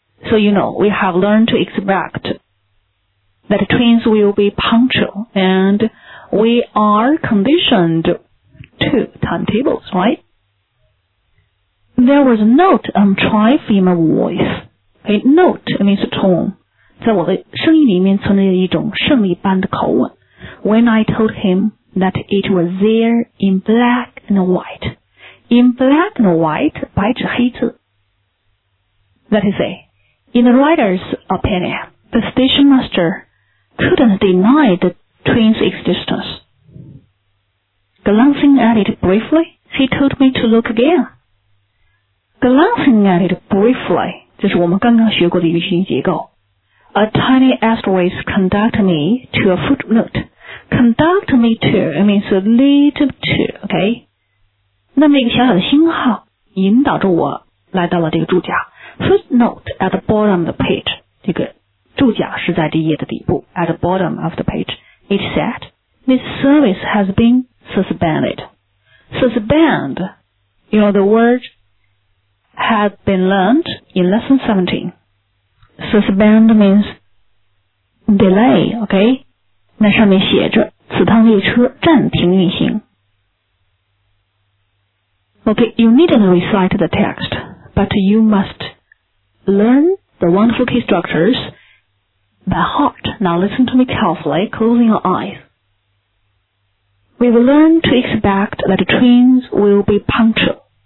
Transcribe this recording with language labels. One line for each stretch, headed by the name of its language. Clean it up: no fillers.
English: So you know, we have learned to expect that trains will be punctual, and we are conditioned to timetables, right? There was a note on tri-female voice. A note means tone.
Chinese: 在我的声音里面存在一种胜利般的口吻。
English: When I told him that it was there in black and white. In black and white,
Chinese: 白纸黑字。
English: That is it. In the writer's opinion, the station master couldn't deny the train's existence. Glancing at it briefly, he told me to look again. Glancing at it briefly,
Chinese: 这是我们刚刚学过的语序结构。
English: A tiny asterisk conduct me to a footnote. Conduct me to means lead to, okay?
Chinese: 那么一个小小的星号引导着我来到了这个注脚。
English: Footnote at the bottom of the page.
Chinese: 这个注脚是在这页的底部。
English: At the bottom of the page. It said, this service has been suspended. Suspend, you know the word,had been learned in lesson 17. Suspend means delay, okay?
Chinese: 那上面写着此趟列车暂停运行。
English: Okay, you needn't recite the text, but you must learn the wonderful key structures by heart. Now listen to me carefully, closing your eyes. We will learn to expect that trains will be punctual.